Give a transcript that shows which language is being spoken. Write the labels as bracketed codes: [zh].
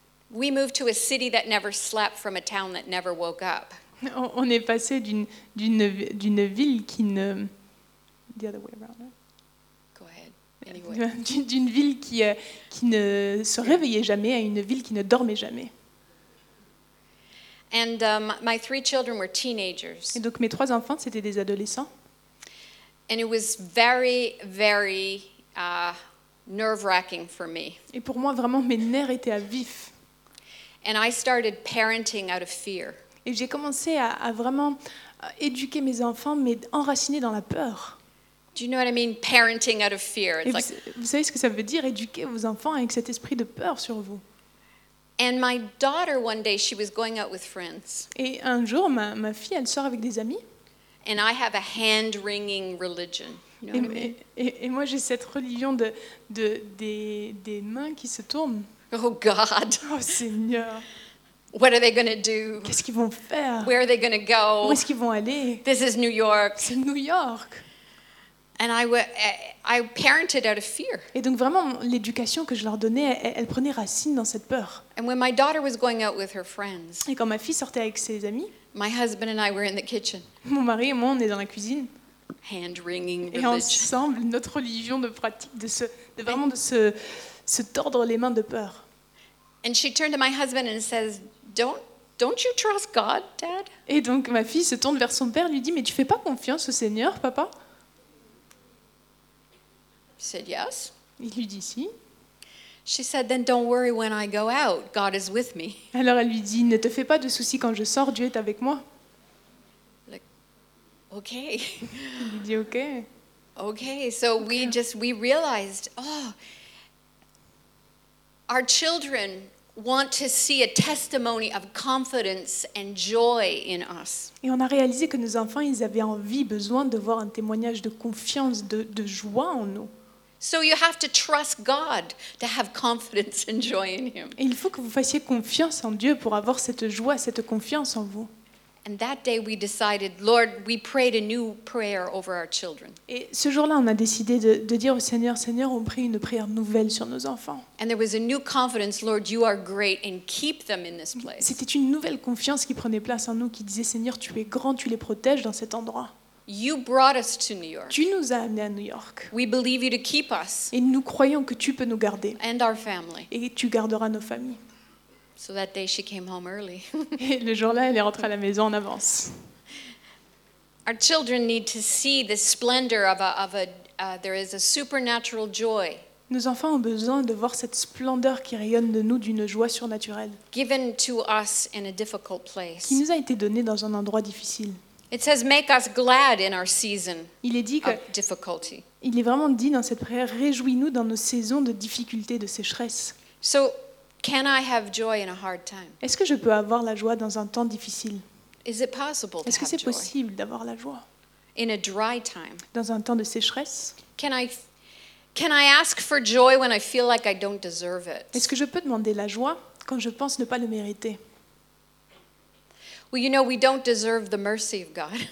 [en] We moved to a city that never slept from a town that never woke up. [fr] On est passé d'une ville qui ne [en] the other way around. Anyway. [fr] D'une ville qui ne se réveillait jamais à une ville qui ne dormait jamais. [en] And my three children were teenagers. [fr] Et donc mes trois enfants c'était des adolescents. [en] And it was very, very nerve-wracking for me. [fr] Et pour moi vraiment mes nerfs étaient à vif. [en] And I started parenting out of fear. [fr] Et j'ai commencé à vraiment éduquer mes enfants mais enracinés dans la peur. [en] Do you know what I mean? Parenting out of fear. It's [fr] vous savez ce que ça veut dire éduquer vos enfants avec cet esprit de peur sur vous. [en] And my daughter one day she was going out with friends. [fr] Et un jour ma fille elle sort avec des amis. [en] And I have a hand-wringing religion. [fr] Et moi j'ai cette religion des mains qui se tournent. [en] Oh God. [fr] Oh Seigneur. [en] What are they going to do? [fr] Qu'est-ce qu'ils vont faire? [en] Where are they going to go? [fr] Où est-ce qu'ils vont aller? [en] This is New York. [fr] C'est New York. [en] And I parented out of fear. [fr] Et donc vraiment l'éducation que je leur donnais, elle prenait racine dans cette peur. [en] And when my daughter was going out with her friends. [fr] Et quand ma fille sortait avec ses amis. [en] My husband and I were in the kitchen. [fr] Mon mari et moi on est dans la cuisine. [en] Hand wringing. [fr] Et ensemble notre religion de pratique de se tordre les mains de peur. [en] And she turned to my husband and says, "Don't you trust God, Dad?" [fr] Et donc ma fille se tourne vers son père, lui dit, mais tu fais pas confiance au Seigneur, papa? [en] Said yes. [fr] Il lui dit si. [en] She said, "Then don't worry when I go out. God is with me." [fr] Alors elle lui dit, ne te fais pas de soucis quand je sors, Dieu est avec moi. [en] Like, okay. [fr] Il lui dit okay. [en] Okay, so okay. We realized, oh, our children want to see a testimony of confidence and joy in us. [fr] Et on a réalisé que nos enfants, ils avaient envie, besoin de voir un témoignage de confiance, de joie en nous. [en] So you have to trust God to have confidence and joy in him. [fr] Et il faut que vous fassiez confiance en Dieu pour avoir cette joie, cette confiance en vous. [en] And that day we decided, Lord, we prayed a new prayer over our children. [fr] Et ce jour-là, on a décidé de dire au Seigneur, Seigneur, on prie une prière nouvelle sur nos enfants. [en] And there was a new confidence, Lord, you are great and keep them in this place. [fr] C'était une nouvelle confiance qui prenait place en nous qui disait Seigneur, tu es grand, tu les protèges dans cet endroit. [en] You brought us to New York. [fr] Tu nous as amenés à New York. [en] We believe you to keep us. [fr] Et nous croyons que tu peux nous garder. [en] And our family. [fr] Et tu garderas nos familles. [en] So that day she came home early. [fr] Et le jour-là, elle est rentrée à la maison en avance. [en] Our children need to see the splendor there is a supernatural joy. [fr] Nos enfants ont besoin de voir cette splendeur qui rayonne de nous d'une joie surnaturelle. [en] Given to us in a difficult place. [fr] Qui nous a été donnée dans un endroit difficile. [en] It says, "Make us glad in our season." [fr] Il est dit que, [en] of difficulty. [fr] Il est vraiment dit dans cette prière, réjouis-nous dans nos saisons de difficulté, de sécheresse. [en] So, can I have joy in a hard time? [fr] Est-ce que je peux avoir la joie dans un temps difficile? [en] Is it possible? [fr] Est-ce que c'est possible d'avoir la joie? [en] In a dry time. [fr] Dans un temps de sécheresse? [en] Can I ask for joy when I feel like I don't deserve it? [fr] Est-ce que je peux demander la joie quand je pense ne pas le mériter? [en] Well, you know, we don't deserve the mercy of God.